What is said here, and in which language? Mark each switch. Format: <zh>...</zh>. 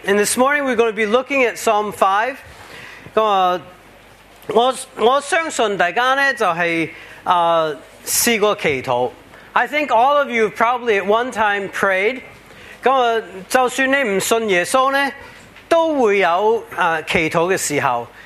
<en>And this morning we're going to be looking at Psalm 5.</en> <yue>咁我相信大家咧就系试过祈祷。</yue> <en>I think all of you probably at one time prayed.</en> <yue>咁就算你唔信耶稣咧，都会有祈祷嘅时候。</yue>